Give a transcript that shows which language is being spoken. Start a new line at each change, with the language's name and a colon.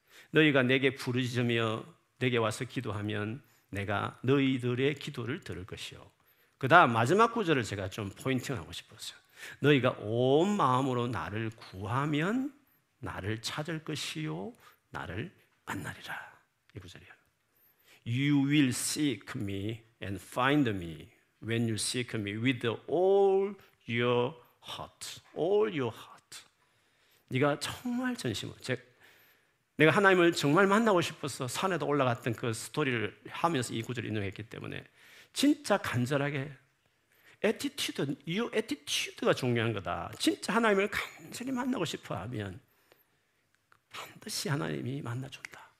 Korean: 너희가 내게 부르짖으며 내게 와서 기도하면 내가 너희들의 기도를 들을 것이요. 그 다음 마지막 구절을 제가 좀 포인팅하고 싶었어요. 너희가 온 마음으로 나를 구하면 나를 찾을 것이요 나를 만나리라. 이 구절이에요.
English: You will seek me and find me when you seek me with all your heart. All your heart.
Korean: 네가 정말 전심으로, 내가 하나님을 정말 만나고 싶어서 산에도 올라갔던 그 스토리를 하면서 이 구절을 인용했기 때문에, 진짜 간절하게 attitude,
English: your attitude
Korean: 가 중요한 거다. 진짜 하나님을 간절히 만나고 싶어 하면 반드시 하나님이 만나준다.